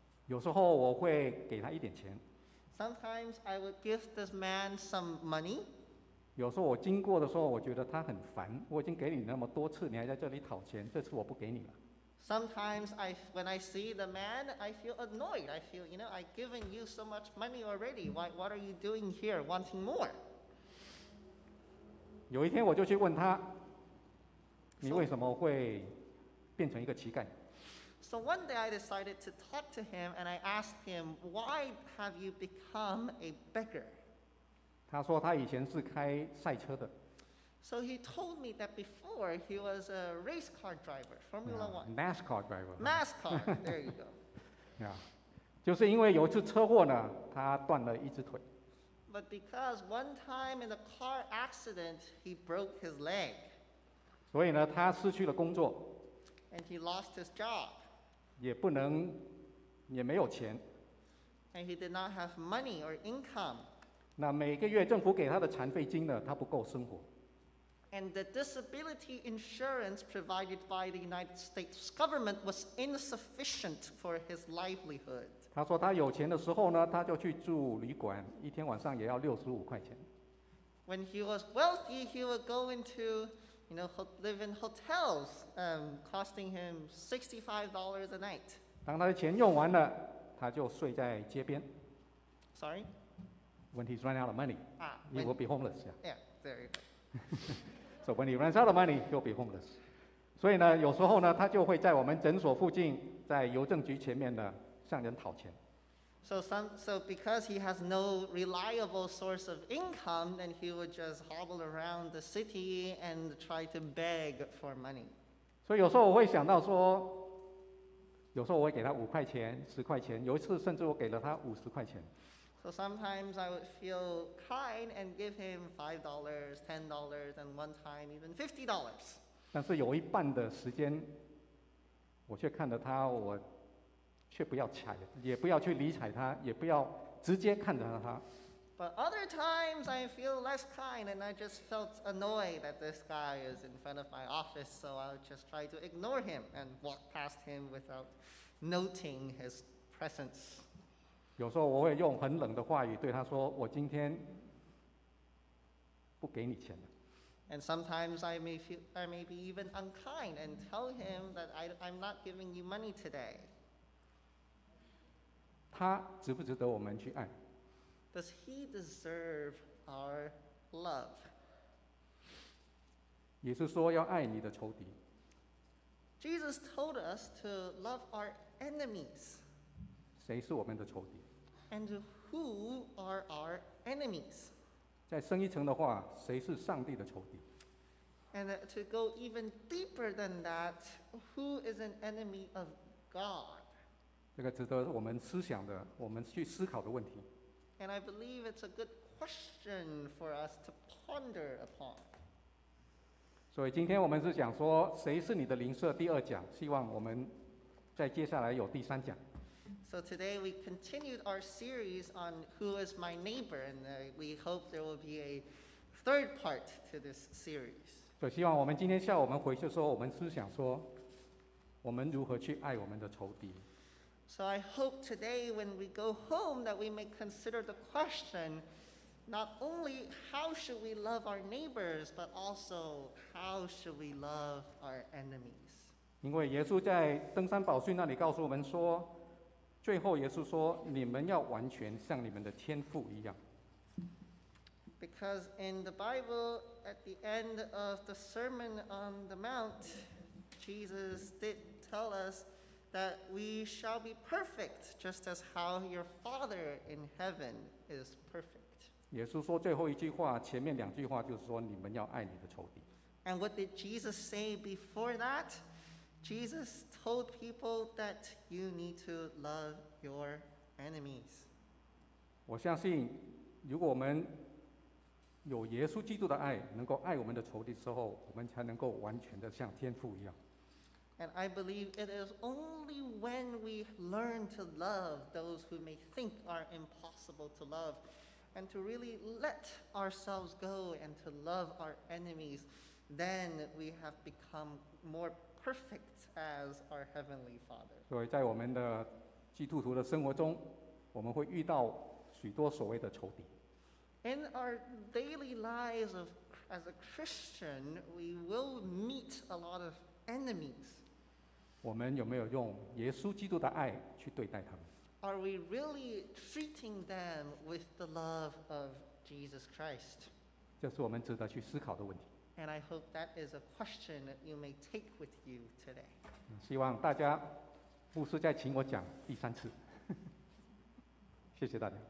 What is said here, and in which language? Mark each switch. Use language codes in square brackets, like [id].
[zh] 有时候我会给他一点钱。 [en] Sometimes I would give this man some money. [zh] 有时候我经过的时候，我觉得他很烦。我已经给你那么多次，你还在这里讨钱，这次我不给你了。 [en] Sometimes when I see the man, I feel annoyed. I feel, you know, I've given you so much money already. What are you doing here, wanting more? [zh] 有一天我就去问他，你为什么会变成一个乞丐？ [en] So one day I decided to talk to him and I asked him, why have you become a beggar? [zh] 他说他以前是开赛车的。 [en] So he told me that before he was a race car driver, Formula One. NASCAR driver. NASCAR, there you go. Yeah. [zh] 就是因为有一次车祸呢，他断了一只腿。 [en] But because one time in a car accident, he broke his leg. [zh] 所以呢，他失去了工作。 [en] And he lost his job. [zh] 也不能，也没有钱。 [en] And he did not have money or income. [zh] 那每个月政府给他的残废金呢，他不够生活。 [en] And the disability insurance provided by the United States government was insufficient for his livelihood. [zh] 他说他有钱的时候呢，他就去住旅馆，一天晚上也要65块钱。 [en] When he was wealthy, he would go into, you know, live in hotels, costing him $65 a night. [zh] 当他的钱用完了，他就睡在街边。 [en] Sorry. When he's run out of money, he will be homeless. Yeah. Yeah. There you go. So when he runs out of money, he'll be homeless. [zh] 所以呢，有时候呢，他就会在我们诊所附近，在邮政局前面呢，向人讨钱。 [en] So because he has no reliable source of income, then he would just hobble around the city and try to beg for money. [zh] 所以有时候我会想到说，有时候我会给他5块钱、10块钱，有一次甚至我给了他50块钱。 [en] So sometimes I would feel kind and give him $5, $10, and one time even $50. [zh] 但是有一半的时间，我却看着他，我却不要睬，也不要去理睬他，也不要直接看着他。 [en] But other times I feel less kind and I just felt annoyed that this guy is in front of my office, so I'll just try to ignore him and walk past him without noting his presence. [zh] 有时候我会用很冷的话语对他说，我今天不给你钱了。 [en] And sometimes I may be even unkind and tell him that I'm not giving you money today. [zh] 他值不值得我们去爱？ [en] Does he deserve our love? [zh] 也是说要爱你的仇敌。 [en] Jesus told us to love our enemies? [zh] 谁是我们的仇敌？ [en] And who are our enemies? [zh] 再深一层的话，谁是上帝的仇敌？ [en] And to go even deeper than that, who is an enemy of God? [zh] 这个值得我们思想的，我们去思考的问题。 [en] And I believe it's a good question for us to ponder upon. [zh] 所以今天我们是讲说谁是你的邻舍第二讲，希望我们在接下来有第三讲。 [en] So today we continued our series on who is my neighbor, and we hope there will be a third part to this series. [zh] 所以希望我们今天下午我们回去说，我们思想说，我们如何去爱我们的仇敌。 [en] So I hope today when we go home that we may consider the question, not only how should we love our neighbors, but also how should we love our enemies. [zh] 因为耶稣在登山宝训那里告诉我们说，最后耶稣说，你们要完全像你们的天父一样。 [en] Because in the Bible, at the end of the Sermon on the Mount, Jesus did tell us,that we shall be perfect, just as how your Father in heaven is perfect. [zh] 耶稣说最后一句话，前面两句话就是说，你们要爱你的仇敌。 [en] And what did Jesus say before that? Jesus told people that you need to love your enemies. [zh] 我相信，如果我们有耶稣基督的爱，能够爱我们的仇敌之后，我们才能够完全的像天父一样。 [en] And I believe it is only when we learn to love those who may think are impossible to love and to really let ourselves go and to love our enemies, then we have become more perfect as our Heavenly Father. [zh] 所以在我们的基督徒的生活中，我们会遇到许多所谓的仇敌。 [en] In our daily lives of, as a Christian, we will meet a lot of enemies. [zh] 我们有没有用耶稣基督的爱去对待他们？ [en] Are we really treating them with the love of Jesus Christ? [zh] 这是我们值得去思考的问题。 [en] And I hope that is a question that you may take with you today. [zh] 希望大家，牧师再请我讲第三次。谢谢大家。